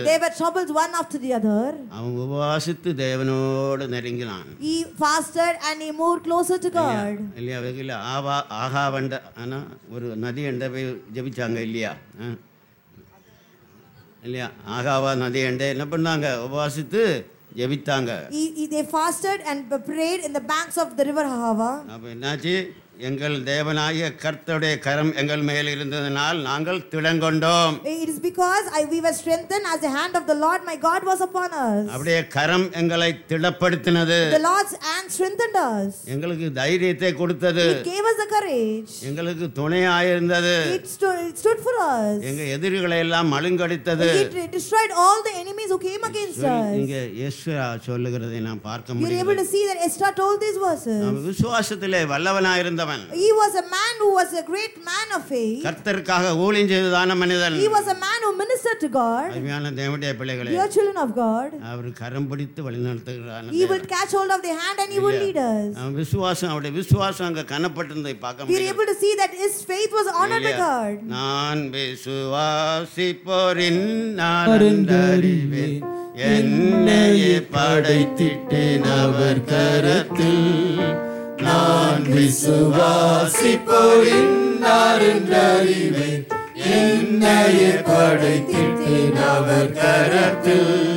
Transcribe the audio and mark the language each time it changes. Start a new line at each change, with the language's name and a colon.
English: There were troubles one after the other.
Tamil: அவன் உபவாசித்து தேவனோடு நெருங்கினான்.
English: He fasted and he moved closer to God.
Tamil: இல்லைய வெகில ஆகா வந்த انا ஒரு நதி அண்டவே ஜெபிச்சாங்க இல்லையா? இல்லையா ஆகாவா நதி அண்டே என்ன பண்ணாங்க? உபவாசித்து ஜெபித்தாங்க.
English: They fasted and prayed in the banks of the river Ahava.
Tamil: அப்ப என்னாச்சு? எங்கள் தேவனாகிய கர்த்தருடைய கரம் எங்கள் மேல் இருந்ததினால் நாங்கள் திடங்கொண்டோம்.
English: It is because we were strengthened as the hand of the Lord my God was upon us.
Tamil: அவருடைய கரம் எங்களை திடப்படுத்தினது.
English: The Lord's hand strengthened us.
Tamil: எங்களுக்கு தைரியத்தை கொடுத்தது.
English: It gave us the courage.
Tamil: எங்களுக்கு துணையாய் இருந்தது.
English: It stood for us.
Tamil: எங்க எதிரிகளை எல்லாம் அழிந்தடித்தது.
English: It destroyed all the enemies who came against us.
Tamil: இங்க எஸ்ரா சொல்லுகிறதை நாம் பார்க்க முடியும்.
English: You are able to see that Esra told these verses.
Tamil: நாம் விசுவாசத்திலே வல்லவனாய் இருந்த
English: He was a man who was a great man of faith.
Tamil: கர்த்தருக்காக ஊழியம் செய்ததான மனிதன்.
English: He was a man who ministered to God.
Tamil: அருமையான தேவனுடைய பிள்ளைகளே,
English: dear children of God,
Tamil: அவர் கரம் பிடித்து வழிநடத்துகிறான்.
English: He will catch hold of the hand and he will lead us.
Tamil: அவன் விசுவாசம், அவருடைய விசுவாசம் அங்க கனப்பட்டிருந்ததை பார்க்க முடியும்.
English: We are able to see that his faith was honored by God.
Tamil: நான் விசுவாசிப்போரின் நான் அறிந்தறிவேன், என்னை படைத்திட்டேன் அவர் கரத்தில். நான் விசுவாசிப்போரின் அறிந்தறிவேன், என்னை படைத்திட்டேன் அவர் கரத்தில்.